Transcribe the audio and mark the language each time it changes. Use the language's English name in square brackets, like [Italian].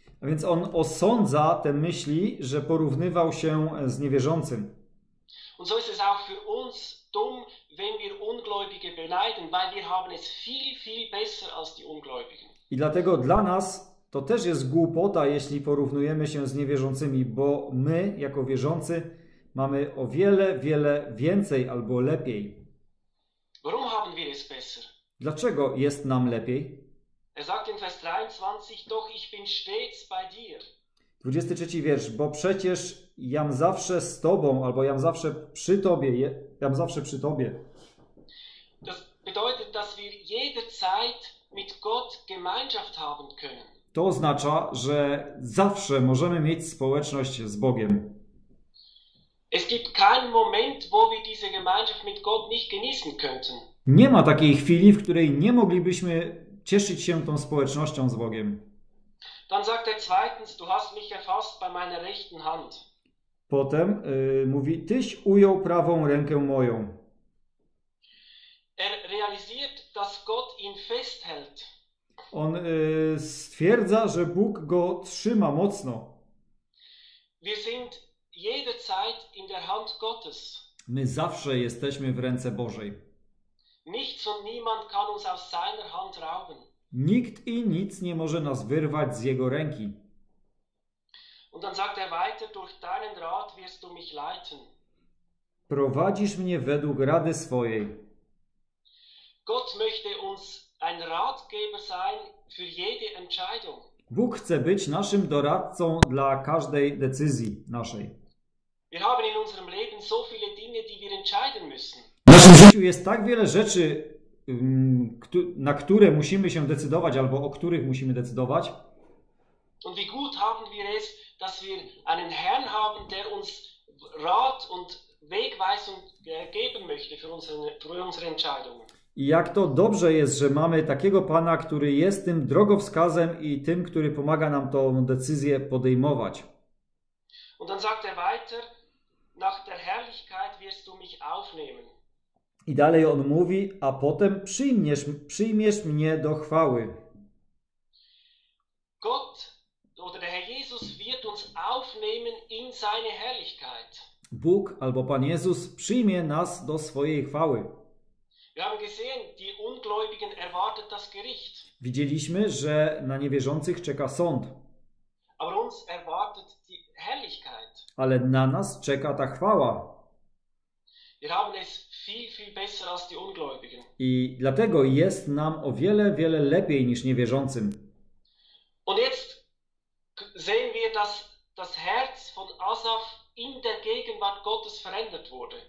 [Polish] A więc on osądza te myśli, że porównywał się z niewierzącym. [German] Und so ist es auch für uns dumm, wenn wir Ungläubige beneiden, weil wir haben es viel, viel besser als die Ungläubigen. [Polish] I dlatego dla nas to też jest głupota, jeśli porównujemy się z niewierzącymi, bo my, jako wierzący, mamy o wiele, wiele więcej albo lepiej. [German] Warum haben wir es besser? [Polish] Dlaczego jest nam lepiej? [German] Er sagt in Vers 23, doch ich bin stets bei dir. [Polish] 23 wiersz, bo przecież jam zawsze z tobą, albo jam zawsze przy tobie, jam zawsze przy tobie. [German] Das bedeutet, dass wir jederzeit mit Gott Gemeinschaft haben können. [Polish] To oznacza, że zawsze możemy mieć społeczność z Bogiem. [German] Es gibt keinen Moment, wo wir diese Gemeinschaft mit Gott nicht genießen könnten. [Polish] Nie ma takiej chwili, w której nie moglibyśmy cieszyć się tą społecznością z Bogiem. [German] Dann sagt er zweitens, du hast mich erfasst bei meiner rechten Hand. [Polish] Potem mówi, tyś ujął prawą rękę moją. [German] Er realisiert, dass Gott ihn festhält. [Polish] On stwierdza, że Bóg go trzyma mocno. [German] Wir sind jederzeit in der Hand Gottes. [Polish] My zawsze jesteśmy w ręce Bożej. [German] Nichts und niemand kann uns aus seiner Hand rauben. [Polish] Nikt i nic nie może nas wyrwać z jego ręki. [German] Und dann sagt er weiter, durch deinen Rat wirst du mich leiten. [Polish] Prowadzisz mnie według rady swojej. [German] Gott möchte uns ein Ratgeber sein für jede Entscheidung. [Polish] Bóg chce być naszym doradcą dla każdej decyzji naszej. [German] Wir haben in unserem Leben so viele Dinge, die wir entscheiden müssen. [Polish] W naszym życiu jest tak wiele rzeczy, na które musimy się decydować, albo o których musimy decydować. [German] Und wie gut haben wir es, dass wir einen Herrn haben, der uns Rat und Wegweisung geben möchte für unsere Entscheidungen. [Polish] I jak to dobrze jest, że mamy takiego Pana, który jest tym drogowskazem i tym, który pomaga nam tą decyzję podejmować. [German] Und dann sagt er weiter, nach der Herrlichkeit wirst du mich aufnehmen. [Polish] I dalej on mówi, a potem przyjmiesz mnie do chwały. [German] Gott, oder der Herr Jesus wird uns aufnehmen in seine Herrlichkeit. [Polish] Bóg albo Pan Jezus przyjmie nas do swojej chwały. [German] Wir haben gesehen, die Ungläubigen erwartet das Gericht. [Polish] Widzieliśmy, że na niewierzących czeka sąd. [German] Aber uns erwartet die Herrlichkeit. [Polish] Ale na nas czeka ta chwała. [German] Wir haben es viel, viel besser als die Ungläubigen. [Polish] I dlatego jest nam o wiele, wiele lepiej niż niewierzącym. [German] Und jetzt sehen wir, dass das Herz von Asaf in der Gegenwart Gottes verändert wurde.